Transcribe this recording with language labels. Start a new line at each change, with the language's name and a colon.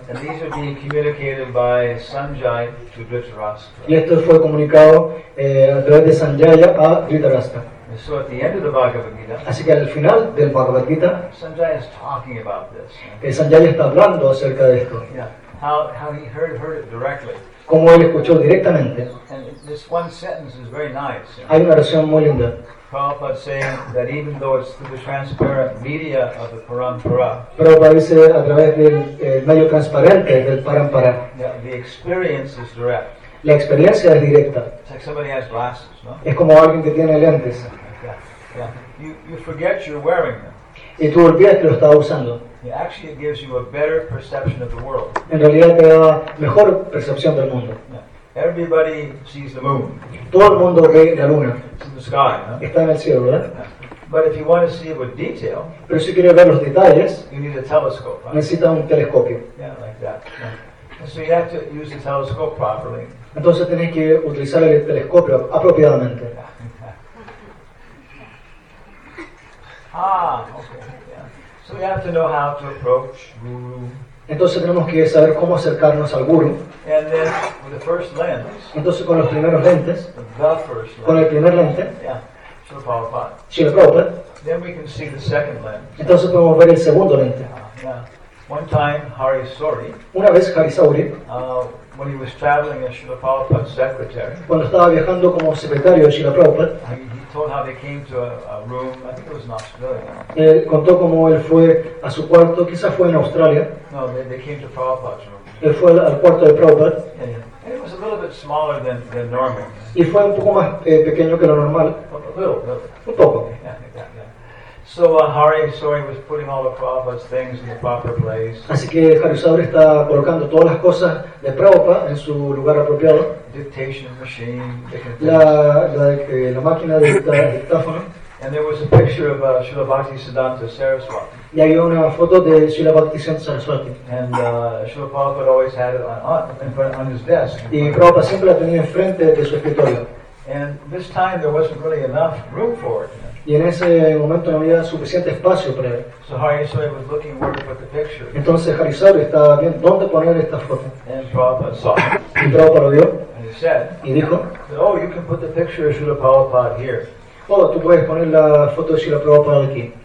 English: And these are being communicated by Sanjay to Dhritarashtra.
Spanish: Y esto fue comunicado a través de Sanjaya a Dhritarashtra.
English: So at the end of the Bhagavad Gita,
Spanish: así que al final del Bhagavad Gita,
English: Sanjay is talking about this.
Spanish: Que Sanjay está hablando acerca de esto.
English: Yeah. How he heard it directly.
Spanish: Como él escuchó directamente.
English: And this one sentence is very nice.
Spanish: Hay una oración muy linda.
English: Prabhupada saying that even though it's through the transparent media of the parampara,
Spanish: Prabhupada dice a través del medio transparente del parampara.
English: Yeah, the experience is direct.
Spanish: La experiencia es directa.
English: It's like somebody has glasses, no?
Spanish: Es como alguien que tiene lentes.
English: Yeah, yeah. You forget you're wearing them.
Spanish: Y tú olvidas que lo estás usando.
English: Yeah, actually it gives you a better perception of the world.
Spanish: En realidad te da mejor percepción del mundo.
English: Yeah. Everybody sees the moon.
Spanish: Todo el mundo ve la luna.
English: It's in the sky, huh?
Spanish: Está en el cielo, ¿verdad?
English: But if you want to see it with detail,
Spanish: pero si quieres ver los detalles,
English: you need a telescope, right?
Spanish: Necesita un telescopio.
English: Yeah, like that. And so you have to use the telescope properly.
Spanish: Entonces tienes que utilizar el telescopio apropiadamente.
English: Ah, okay. Yeah. So we have to know how to approach Guru.
Spanish: Entonces tenemos que saber cómo acercarnos al Guru.
English: And then with the first lens.
Spanish: Entonces con los primeros lentes.
English: The first lens.
Spanish: Con el primer lente.
English: Yeah. Sri Prabhupada.
Spanish: Sri Prabhupada.
English: Then we can see the second lens.
Spanish: Entonces podemos ver el segundo lente.
English: Yeah. One time, Hari Sauri.
Spanish: Una vez Hari Sauri.
English: When he was traveling as Srila Prabhupada's secretary,
Spanish: cuando estaba viajando como secretario de Srila Prabhupada,
English: he told how they came to a room, I think it was in Australia.
Spanish: Él contó cómo él fue a su cuarto, quizás fue en Australia.
English: No, they came to Prabhupada's room.
Spanish: Él fue al cuarto de Prabhupada.
English: Yeah, yeah. And it was a little bit smaller than normal.
Spanish: Y fue un poco más pequeño que lo normal.
English: A little.
Spanish: Un poco.
English: So Hari Sauri was putting all the Prabhupada's things in the proper place.
Spanish: Así que Hari Sauri está colocando todas las cosas de Prabhupada en su lugar apropiado.
English: Dictation machine.
Spanish: La máquina de dictáfono.
English: And there was a picture of Srila Bhakti Siddhanta Saraswati.
Spanish: Y hay una foto de Srila Bhakti Siddhanta Saraswati.
English: And Srila Prabhupada always had it on his desk.
Spanish: Y Prabhupada siempre la tenía enfrente de su escritorio.
English: And this time there wasn't really enough room for it.
Spanish: Y en ese momento no había suficiente espacio para él.
English: So Hari Sauri was looking where to put the picture.
Spanish: Entonces Hari Sauri estaba viendo dónde poner esta foto.
English: And Prabhupada saw it.
Spanish: Y Prabhupada lo vio.
English: And he said,
Spanish: y dijo,
English: oh, you can put the picture of Srila Prabhupada here.
Spanish: Oh, tú puedes poner la foto de Srila Prabhupada aquí.